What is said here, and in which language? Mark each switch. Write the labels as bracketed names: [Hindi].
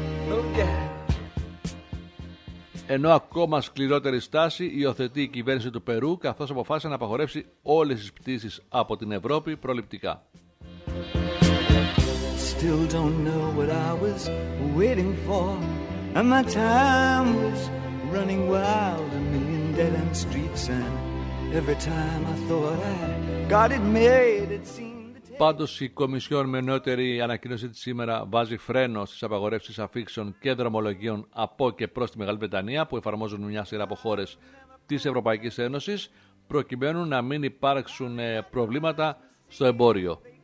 [English] Oh yeah. [Greek] Ενώ ακόμα σκληρότερη στάση υιοθετεί η κυβέρνηση του Περού, καθώς αποφάσισε να απαγορεύσει όλες τις πτήσεις από την Ευρώπη προληπτικά. [English] Still don't know what I was waiting for, and my time was running wild, a million dead end streets, and every time I thought I got it made, it seemed. [Greek] Πάντως, η Κομισιόν με νεότερη ανακοίνωση της σήμερα βάζει φρένο στις απαγορεύσεις αφίξεων και δρομολογίων από και προς τη Μεγάλη Βρετανία που εφαρμόζουν μια σειρά από χώρες της Ευρωπαϊκής Ένωσης, προκειμένου να μην υπάρξουν προβλήματα στο εμπόριο.